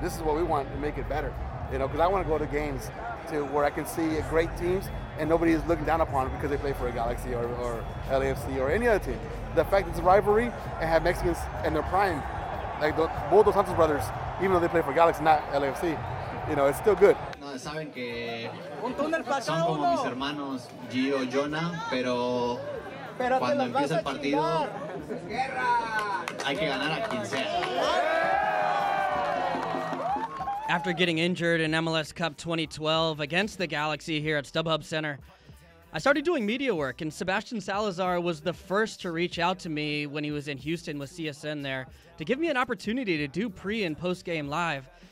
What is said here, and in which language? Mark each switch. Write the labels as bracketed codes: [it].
[en] This is what we want to make it better. You know, because I want to go to games to where I can see great teams and nobody is looking down upon them because they play for a Galaxy or LAFC or any other team. The fact that it's a rivalry and have Mexicans in their prime, like both those Santos brothers, even though they play for Galaxy, not LAFC, you know, it's still good. [es] No, saben que son como mis hermanos, Gio, Jonah, pero cuando empieza el partido, guerra. Hay que ganar a quien sea. [en] After getting injured in MLS Cup 2012 against the Galaxy here at StubHub Center, I started doing media work, and Sebastian Salazar was the first to reach out to me when he was in Houston with CSN there to give me an opportunity to do pre- and post-game live.